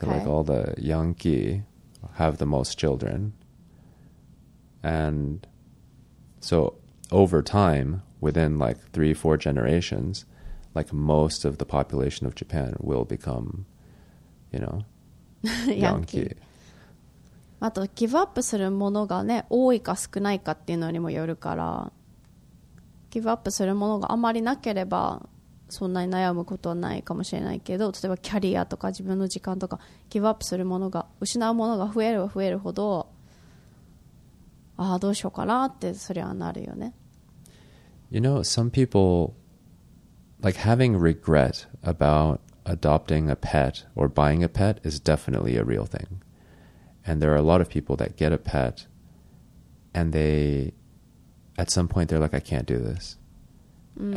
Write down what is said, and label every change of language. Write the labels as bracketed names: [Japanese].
[English] So like all the Yanki have the most children. And so over time, within like 3-4 generations, like most of the population of Japan will become, you know, Yanki. [Japanese] あとギブアップするものがね多いか少ないかっていうのにもよるからギブアップするものがあまりなければそんなに悩むことはないかもしれないけど例えばキャリアとか自分の時間とかギブアップするものが失うものが増えれば増えるほどああどうしようかなってそれはなるよね [English] You know some people like having regret about adopting a pet or buying a pet is definitely a real thingAnd there are a lot of people that get a pet and they, at some point, they're like, I can't do this. Mm.